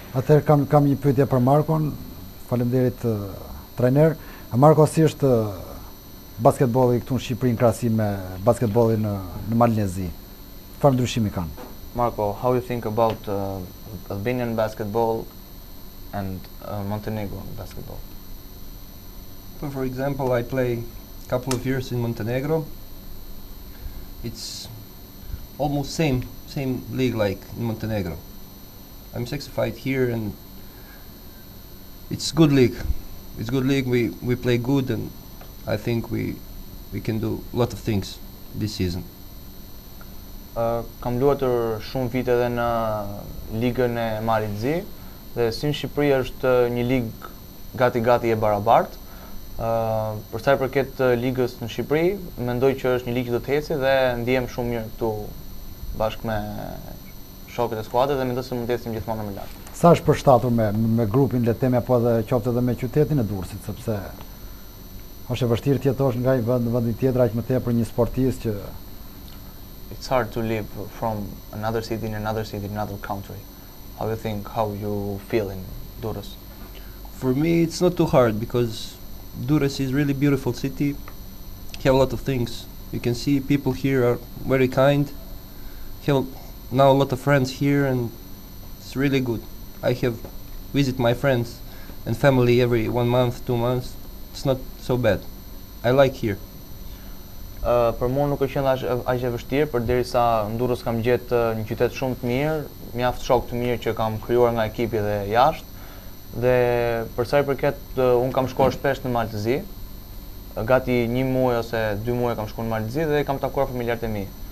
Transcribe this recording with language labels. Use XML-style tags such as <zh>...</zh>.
<sq>Atëherë kam një pyetje për Markon, faleminderit trener. Marko, si është basketbolli këtu në Shqipëri në krahasim me basketbollin në Malinezi? Çfarë ndryshimi kanë?</sq> <en>Marko, how you think about Albanian basketball and Montenegrin basketball? So for example, I play a couple of years in Montenegro. It's almost same league like in Montenegro. I'm certified here and it's good league. It's good league, we play good and I think we can do a lot of things this season.</en> <sq>Kam luatur shumë vite edhe në ligën e Malit Zi dhe si në Shqipëri është një ligë gati e barabartë. Për sa I përket ligës në Shqipëri, mendoj që është një ligë që do të ecë dhe ndihem shumë mirë këtu bashkë me shokët e skuadrës dhe mendoj se mund të ecim gjithmonë në Milan. Sa është përshtatur me grupin le të themi apo edhe qoftë edhe me qytetin e Durrësit, sepse është e vështirë të jetosh nga një vend në vendin tjetër aq më tepër një sportist që</sq> <en>it's hard to live from another city in another city in another country. How you think how you feel in Durrës? For me it's not too hard because Durrës is really beautiful city. You have a lot of things. You can see people here are very kind. Have now a lot of friends here and it's really good. I have visit my friends and family every 1 month, 2 months. It's not so bad. I like here.</en> <sq>Për mua nuk është aq e vështirë, përderisa në Durrës kam gjetë një qytet shumë të mirë, mjaft shok të mirë që kam krijuar nga ekipi dhe jashtë. Dhe për sa I përket un kam shkuar shpesh në Malë të Zi. Gati 1 muaj ose 2 muaj kam shkuar në Malë të Zi dhe kam takuar familjarët e mi.</sq>